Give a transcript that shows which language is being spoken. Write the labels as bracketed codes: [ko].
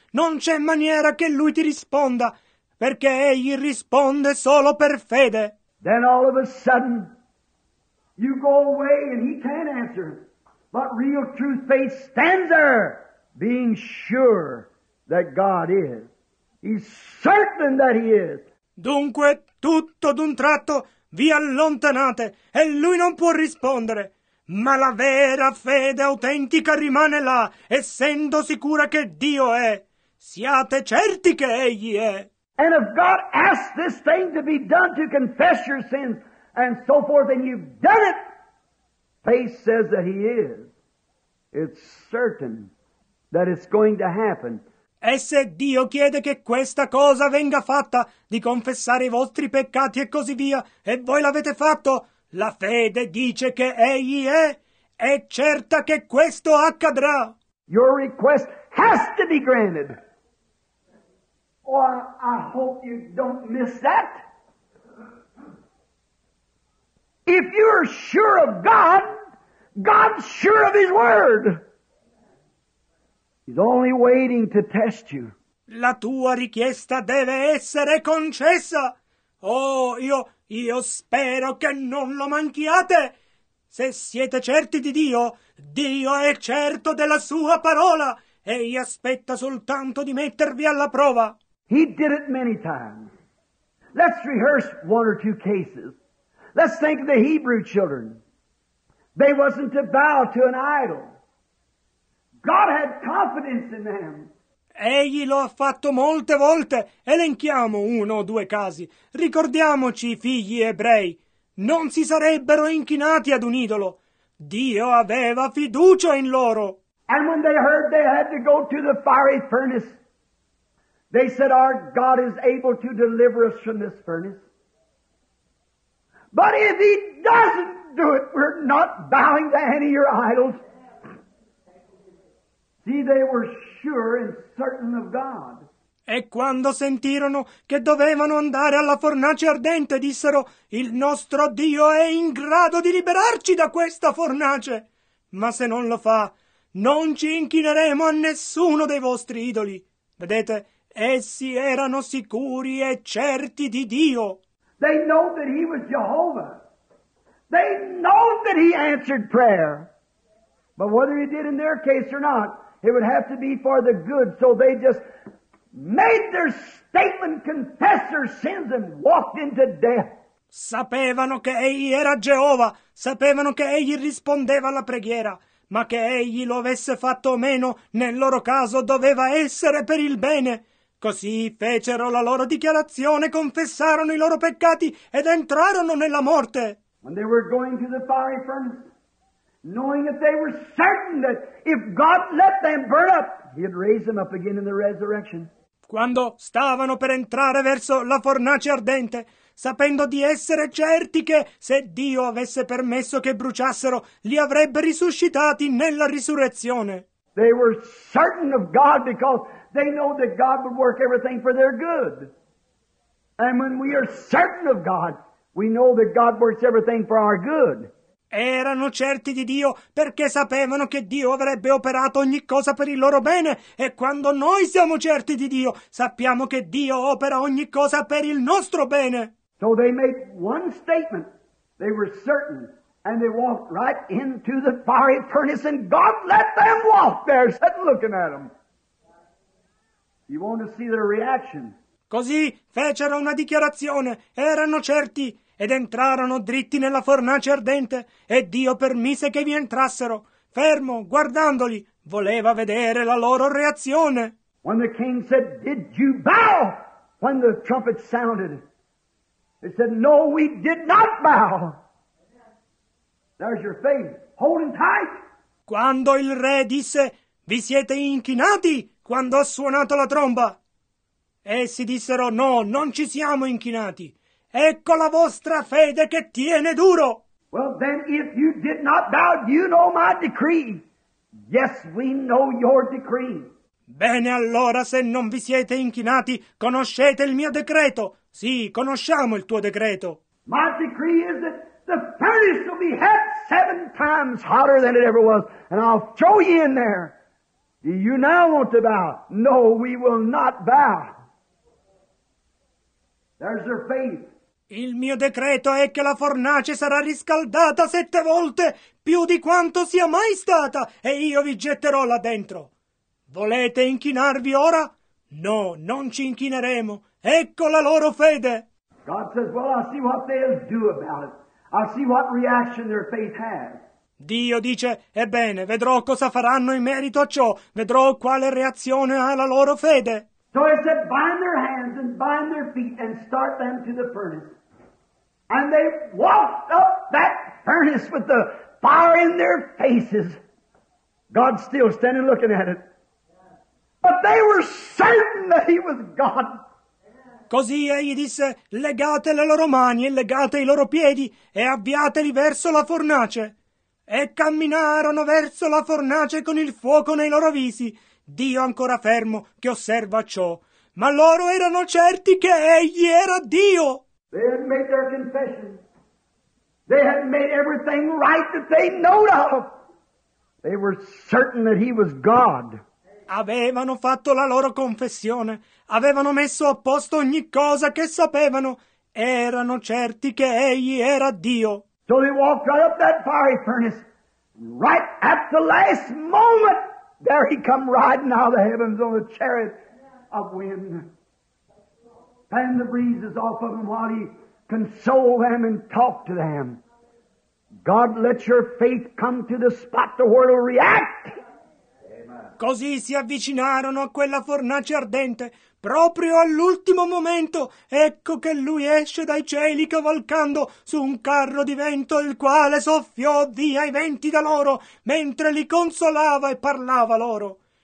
[it] Non c'è maniera che Lui ti risponda, perché Egli risponde solo per fede. [en] Then all of a sudden, you go away and He can't answer. But real truth faith stands there, being sure that God is. He's certain that He is. [it] Dunque, tutto d'un tratto, vi allontanate e Lui non può rispondere. Ma la vera fede autentica rimane là, essendo sicura che Dio è. Siate certi che Egli è. [en] And if God asks this thing to be done to confess your sins and so forth, and you've done it, faith says that He is. It's certain that it's going to happen. [it] E se Dio chiede che questa cosa venga fatta, di confessare i vostri peccati e così via, e voi l'avete fatto, la fede dice che Egli è certa che questo accadrà. [en] Your request has to be granted. Oh, I hope you don't miss that. If you're sure of God, God's sure of His word. He's only waiting to test you. [it] La tua richiesta deve essere concessa. Oh, io spero che non lo manchiate. Se siete certi di Dio, Dio è certo della sua parola. Egli aspetta soltanto di mettervi alla prova. [en] He did it many times. Let's rehearse one or two cases. Let's think of the Hebrew children. They wasn't to bow to an idol. God had confidence in them. [it] Egli lo ha fatto molte volte. Elenchiamo uno o due casi. Ricordiamoci, figli ebrei, non si sarebbero inchinati ad un idolo. Dio aveva fiducia in loro. [en] And when they heard they had to go to the fiery furnace, they said, "Our God is able to deliver us from this furnace. But if He doesn't do it, we're not bowing to any of your idols." See, they were sure and certain of God. [it] E quando sentirono che dovevano andare alla fornace ardente, dissero, "Il nostro Dio è in grado di liberarci da questa fornace. Ma se non lo fa, non ci inchineremo a nessuno dei vostri idoli." Vedete? essi erano sicuri e certi di Dio. [en] They know that he was Jehovah. They know that he answered prayer. But whether he did in their case or not, it would have to be for the good. So they just made their statement, confessed their sins, and walked into death. [it] Sapevano che egli era Geova, sapevano che egli rispondeva alla preghiera, ma che egli lo avesse fatto o meno, nel loro caso doveva essere per il bene. Così fecero la loro dichiarazione, confessarono i loro peccati ed entrarono nella morte. [en] When they were going to the fiery furnace, knowing that they were certain that if God let them burn up, he'd raise them up again in the resurrection. [it] Quando stavano per entrare verso la fornace ardente, sapendo di essere certi che se Dio avesse permesso che bruciassero, li avrebbe risuscitati nella risurrezione. [en] They were certain of God because they know that God would work everything for their good. And when we are certain of God, we know that God works everything for our good. [it] Erano certi di Dio perché sapevano che Dio avrebbe operato ogni cosa per il loro bene, e quando noi siamo certi di Dio, sappiamo che Dio opera ogni cosa per il nostro bene. [en] So they made one statement, they were certain, and they walked right into the fiery furnace, and God let them walk there, sat looking at them. You want to see their reaction. [it] Così fecero una dichiarazione, erano certi, ed entrarono dritti nella fornace ardente, e Dio permise che vi entrassero. Fermo, guardandoli, voleva vedere la loro reazione. [en] When the king said, "Did you bow?" When the trumpet sounded, they said, "No, we did not bow." There's your faith. Holding tight. [it] Quando il re disse, "Vi siete inchinati?" Quando ha suonato la tromba, essi dissero, "No, non ci siamo inchinati. Ecco la vostra fede che tiene duro." [en] Well, then, if you did not bow, you know my decree. Yes, we know your decree. [it] Bene, allora, se non vi siete inchinati, conoscete il mio decreto. Sì, conosciamo il tuo decreto. [en] My decree is that the furnace will be hot 7 times hotter than it ever was, and I'll throw you in there. Do you now want to bow? No, we will not bow. There's your faith. [it] Il mio decreto è che la fornace sarà riscaldata 7 volte più di quanto sia mai stata, e io vi getterò là dentro. Volete inchinarvi ora? No, non ci inchineremo. Ecco la loro fede. [en] God says, "Well, I'll see what they'll do about it. I'll see what reaction their faith has." [it] Dio dice, "Ebbene, vedrò cosa faranno in merito a ciò. Vedrò quale reazione ha la loro fede." [en] So he said, "Bind their hands and bind their feet and start them to the furnace." And they walked up that furnace with the fire in their faces. God still standing looking at it. But they were certain that he was God. [it] Così egli disse, "Legate le loro mani e legate i loro piedi e avviateli verso la fornace." E camminarono verso la fornace con il fuoco nei loro visi. Dio ancora fermo che osserva ciò, ma loro erano certi che egli era Dio. [en] They had made their confession. They had made everything right that they know of. They were certain that he was God. [it] Avevano fatto la loro confessione, avevano messo a posto ogni cosa che sapevano, erano certi che egli era Dio. [en] So they walked right up that fiery furnace, right at the last moment. There he come riding out of the heavens on a chariot of wind. Fanned the breezes off of him while he consoled them and talked to them. God, let your faith come to the spot to where it'll react. [it] Così si avvicinarono a quella fornace ardente. Proprio all'ultimo momento, ecco che lui esce dai cieli cavalcando su un carro di vento, il quale soffiò via i venti da loro, mentre li consolava e parlava loro.